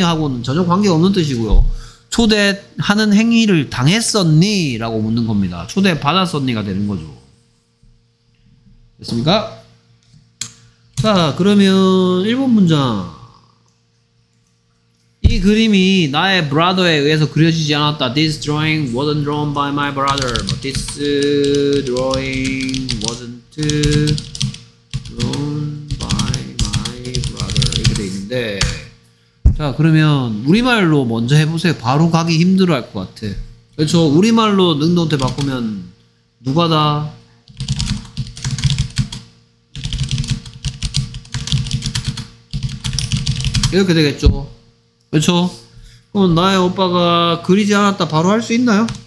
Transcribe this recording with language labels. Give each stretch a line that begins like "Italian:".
Korean: 하고는 전혀 관계없는 뜻이고요. 초대하는 행위를 당했었니? 라고 묻는 겁니다. 초대받았었니가 되는 거죠. 됐습니까? 자, 그러면 1번 문장. 이 그림이 나의 브라더에 의해서 그려지지 않았다.
English: This drawing wasn't drawn by my brother. But this drawing wasn't drawn by my brother.
Korean: 이렇게 돼 있는데. 자, 그러면 우리말로 먼저 해보세요. 바로 가기 힘들어 할 것 같아. 그렇죠. 우리말로 능동태 바꾸면 누가 다? 이렇게 되겠죠. 그렇죠? 그럼 나의 오빠가 그리지 않았다 바로 할 수 있나요?